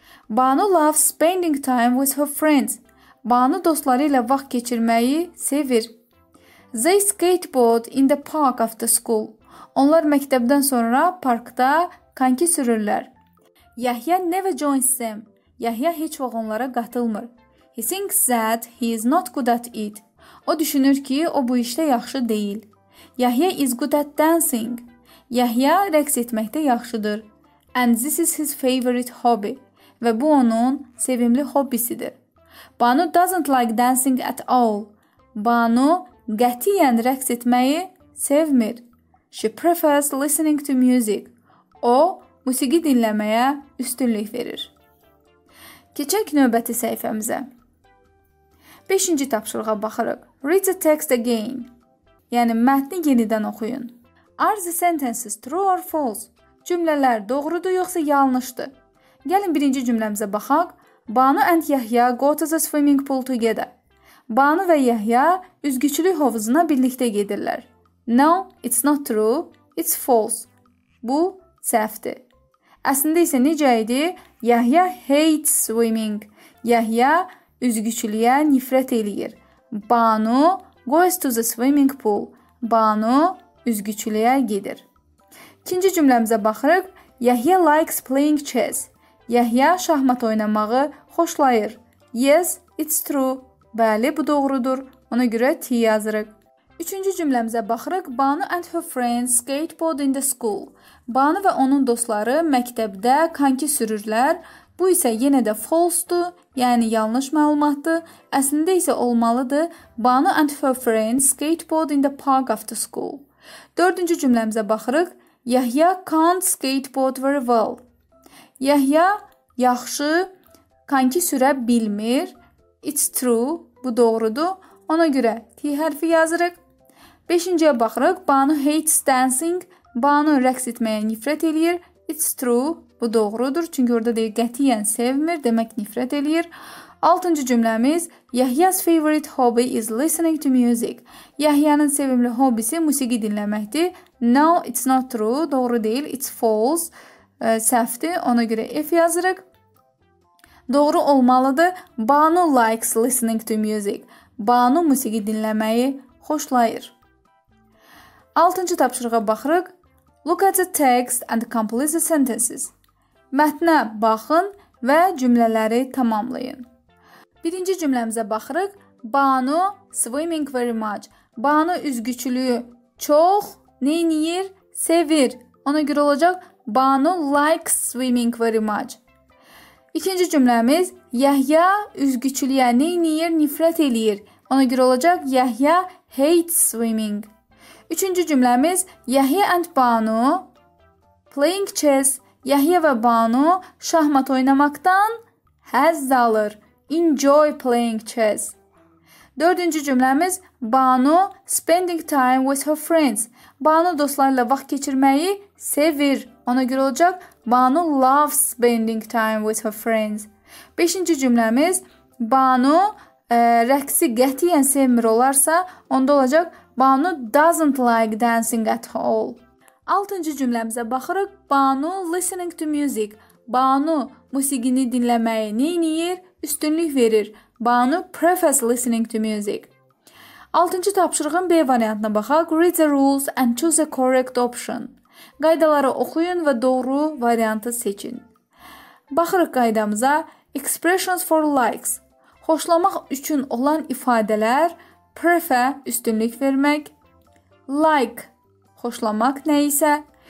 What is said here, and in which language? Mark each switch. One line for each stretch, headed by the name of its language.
English: Banu loves spending time with her friends.
Azerbaijani: Banu dostları ilə vaxt keçirməyi sevir.
English: They skateboard in the park after school.
Azerbaijani: Onlar məktəbdən sonra parkda kanki sürürlər.
English: Yahya never joins them.
Azerbaijani: Yahya heç vaxt onlara qatılmır.
English: He thinks that he is not good at it.
Azerbaijani: O düşünür ki, o bu işdə yaxşı deyil.
English: Yahya is good at dancing.
Azerbaijani: Yahya rəqs etməkdə yaxşıdır.
English: And this is his favorite hobby.
Azerbaijani: Və bu onun sevimli hobbisidir.
English: Banu doesn't like dancing at all.
Azerbaijani: Banu qətiyyən rəqs etməyi sevmir.
English: She prefers listening to music.
Azerbaijani: O, musiqi dinləməyə üstünlük verir. Keçək növbəti səhifəmizə. Beşinci tapşırığa baxırıq.
English: Read the text again.
Azerbaijani: Yəni, mətni yenidən oxuyun.
English: Are the sentences true or false?
Azerbaijani: Cümlələr doğrudur yoxsa yanlışdır? Gəlin birinci cümləmizə baxaq.
English: Banu and Yahya go to the swimming pool together.
Azerbaijani: Banu və Yahya üzgüçülük hovuzuna birlikdə gedirlər.
English: No, it's not true, it's false.
Azerbaijani: Bu, səhvdir. Əslində isə necə idi?
English: Yahya hates swimming.
Azerbaijani: Yahya üzgüçülüyə nifrət eləyir.
English: Banu goes to the swimming pool.
Azerbaijani: Banu üzgüçülüyə gedir. İkinci cümləmizə baxırıq.
English: Yahya likes playing chess.
Azerbaijani: Yahya şahmat oynamağı xoşlayır.
English: Yes, it's true.
Azerbaijani: Bəli, bu doğrudur. Ona görə T yazırıq. Üçüncü cümləmizə baxırıq.
English: Banu and her friends skateboard in the school.
Azerbaijani: Banu və onun dostları məktəbdə kanki sürürlər. Bu isə yenə də false-dur, yəni yanlış məlumatdır. Əslində isə olmalıdır.
English: Banu and her friends skateboard in the park after school.
Azerbaijani: Dördüncü cümləmizə baxırıq.
English: Yahya can't skateboard very well.
Azerbaijani: Yahya yaxşı kanki sürə bilmir.
English: It's true,
Azerbaijani: bu doğrudur. Ona görə T hərfi yazırıq. Beşinciyə baxırıq.
English: Banu hates dancing.
Azerbaijani: Banu rəqs etməyə nifrət eləyir.
English: It's true.
Azerbaijani: Bu doğrudur. Çünki orada deyir qətiyyən sevmir. Demək nifrət eləyir. Altıncı cümləmiz.
English: Yahya's favorite hobby is listening to music.
Azerbaijani: Yahya'nın sevimli hobisi musiqi dinləməkdir.
English: No, it's not true.
Azerbaijani: Doğru deyil.
English: It's false.
Azerbaijani: Səhvdir. Ona görə if yazırıq. Doğru olmalıdır.
English: Banu likes listening to music.
Azerbaijani: Banu musiqi dinləməyi xoşlayır. Altıncı tapşırığa baxırıq.
English: Look at the text and complete the sentences.
Azerbaijani: Mətnə baxın və cümlələri tamamlayın. Birinci cümləmizə baxırıq.
English: Banu swimming very much.
Azerbaijani: Banu üzgüçülüyü çox neyniyir? Sevir. Ona görə olacaq
English: Banu likes swimming very much.
Azerbaijani: İkinci cümləmiz. Yahya üzgüçülüyə neyniyir? Nifrət eləyir. Ona görə olacaq
English: Yahya hates swimming.
Azerbaijani: Üçüncü cümləmiz
English: Yahya and Banu playing chess.
Azerbaijani: Yahya və Banu şahmat oynamaqdan həzz alır.
English: Enjoy playing chess.
Azerbaijani: Dördüncü cümləmiz
English: Banu spending time with her friends.
Azerbaijani: Banu dostlarla vaxt keçirməyi sevir. Ona görə olacaq
English: Banu loves spending time with her friends.
Azerbaijani: Beşinci cümləmiz Banu rəqsi qətiyyən sevmir olarsa onda olacaq
English: Banu doesn't like dancing at all.
Azerbaijani: Altıncı cümləmizə baxırıq.
English: Banu listening to music.
Azerbaijani: Banu musiqini dinləməyi neyniyir? Üstünlük verir.
English: Banu prefers listening to music.
Azerbaijani: Altıncı tapşırığın B variantına baxaq.
English: Read the rules and choose the correct option.
Azerbaijani: Qaydaları oxuyun və doğru variantı seçin. Baxırıq qaydamıza.
English: Expressions for likes.
Azerbaijani: Xoşlamaq üçün olan ifadələr. Prefer, üstünlük vermək. Like, xoşlamaq nə isə.